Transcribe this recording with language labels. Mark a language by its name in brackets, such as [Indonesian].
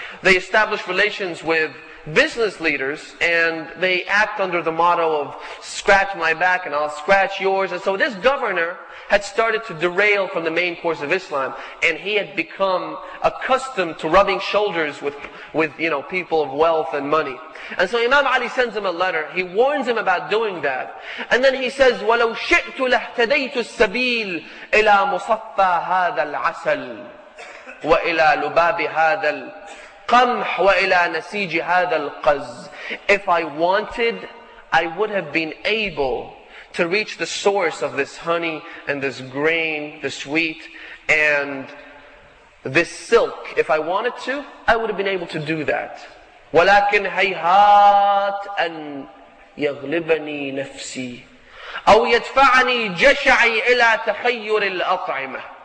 [English] They establish relations with business leaders, and they act under the motto of scratch my back and I'll scratch yours. And so this governor had started to derail from the main course of Islam, and he had become accustomed to rubbing shoulders with you know, people of wealth and money. And so Imam Ali sends him a letter. He warns him about doing that. And then he says, [Arabic] وَلَوْ شِئْتُ لَهْتَدَيْتُ السَّبِيلِ إِلَى مُصَفَّى هَذَا الْعَسَلِ وَإِلَى لُبَابِ هَذَا الْقَمْحِ وَإِلَى نَسِيجِ هَذَا الْقَزِ. [English] If I wanted, I would have been able to reach the source of this honey and this grain, this wheat and this silk. If I wanted to, I would have been able to do that. [Arabic] وَلَكِنْ هَيْهَاتْ أَنْ يَغْلِبَنِي نَفْسِي أَوْ يَدْفَعَنِي جَشَعِي إِلَىٰ تَخَيُّرِ الْأَطْعِمَةِ.